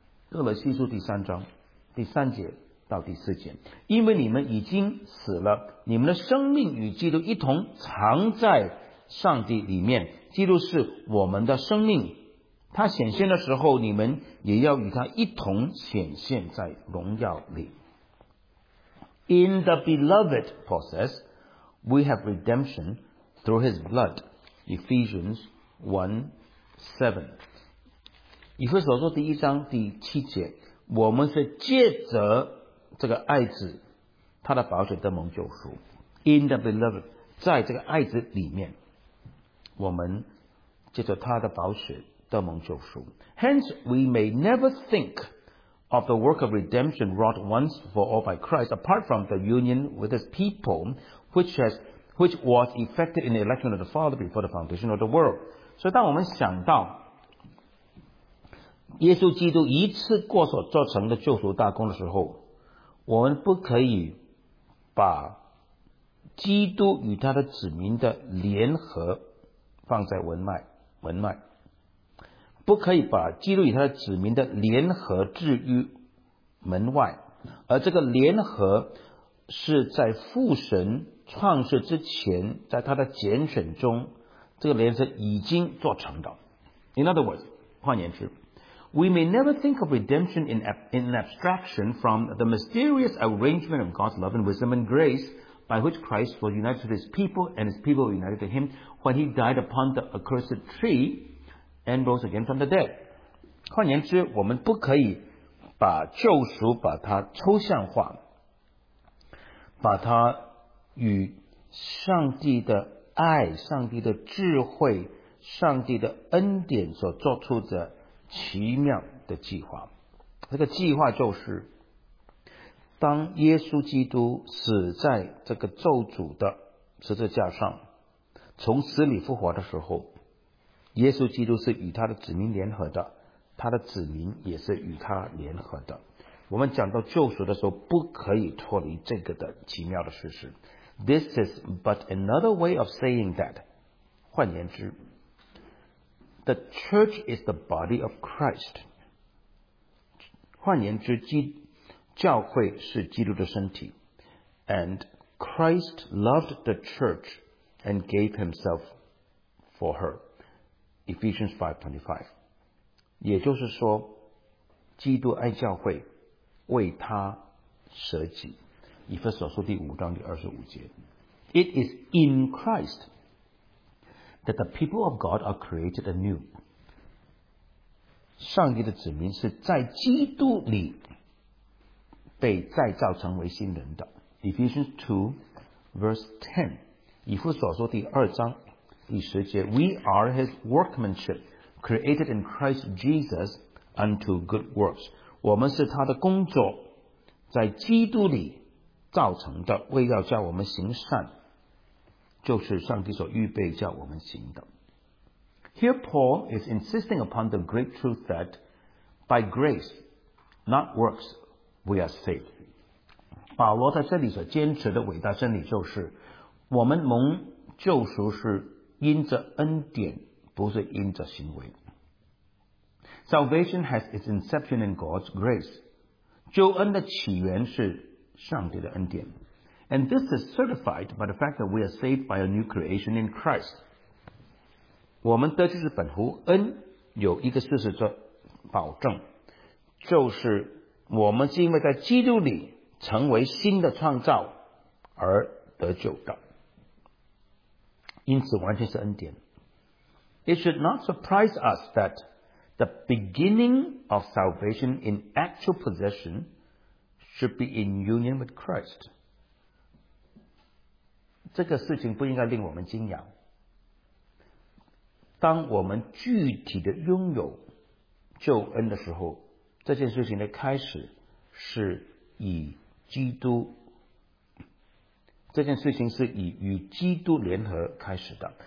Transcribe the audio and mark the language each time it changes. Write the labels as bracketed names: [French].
[Chinese] 哥罗西书第三章3-4，因为你们已经死了，你们的生命与基督一同藏在上帝里面。基督是我们的生命，他显现的时候，你们也要与他一同显现在荣耀里。 [English] In the beloved process we have redemption through his blood, Ephesians 1:7。 [Chinese] 以弗所书第一章7节，我们是借着这个爱子他的宝血得蒙救赎。 [English] In the beloved, [Chinese] 在这个爱子里面，我们借着他的宝血得蒙救赎。 [English] Hence we may never think of the work of redemption wrought once for all by Christ, apart from the union with his people, which was effected in the election of the Father before the foundation of the world. [Chinese] 所以当我们想到耶稣基督一次过所做成的救赎大功的时候，我们不可以把基督与他的子民的联合放在文脉，不可以把基督与他的子民的联合置于门外，而这个联合是在父神创世之前，在他的拣选中，这个联合已经做成的。 [English] In other words, [Chinese] 换言之， [English] We may never think of redemption in an abstraction from the mysterious arrangement of God's love and wisdom and grace by which Christ was united to his people and his people were united to him when he died upon the accursed tree and rose again from the dead. [Chinese] 换言之，我们不可以把救赎把它抽象化，把它与上帝的爱、上帝的智慧、上帝的恩典所做出的奇妙的计划，这个计划就是当耶稣基督死在这个咒诅的十字架上，从死里复活的时候，耶稣基督是与他的子民联合的，他的子民也是与他联合的。我们讲到救赎的时候，不可以脱离这个的奇妙的事实。 [English] This is but another way of saying that, [Chinese] 换言之， [English] The church is the body of Christ. [Chinese] 换言之，教会是基督的身体。 [English] And Christ loved the church and gave himself for her. Ephesians 5:25. [Chinese] 也就是说，基督爱教会，为他舍己。以弗所书第五章第二十五节。 [English] It is in Christ. That the people of God are created anew. [Chinese] 上帝的子民是在基督里被再造成为新人的。 [English] Ephesians 2:10, [Chinese] 以弗所书第二章第十节 [English] ,We are his workmanship, created in Christ Jesus unto good works. [Chinese] 我们是他的工作在基督里造成的，为要叫我们行善。就是上帝所预备叫我们行的。 [English] Here Paul is insisting upon the great truth that by grace, not works, we are saved. [Chinese] 保罗在这里所坚持的伟大真理就是，我们蒙救赎是因着恩典，不是因着行为。 [English] Salvation has its inception in God's grace. [Chinese] 救恩的起源是上帝的恩典。 [English] And this is certified by the fact that we are saved by a new creation in Christ. [Chinese] 我们得救之本乎恩，有一个事实做保证，就是我们是因为在基督里成为新的创造而得救的，因此完全是恩典。 [English] It should not surprise us that the beginning of salvation in actual possession should be in union with Christ. [Chinese] 这个事情不应该令我们惊讶。当我们具体的拥有救恩的时候，这件事情的开始是以基督，这件事情是以与基督联合开始的。